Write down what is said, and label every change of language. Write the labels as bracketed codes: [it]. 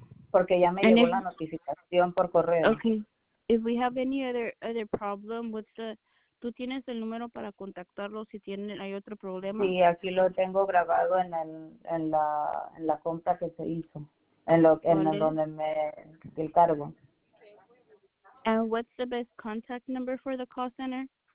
[es] Porque ya me llegó la notificación por correo. Okay. [en] If we have any other problem with the... [es] ¿Tú tienes el número para contactarlo si hay otro problema? Sí, aquí lo tengo grabado en la compra que se hizo. El cargo. [en] And what's the best contact number for the call center?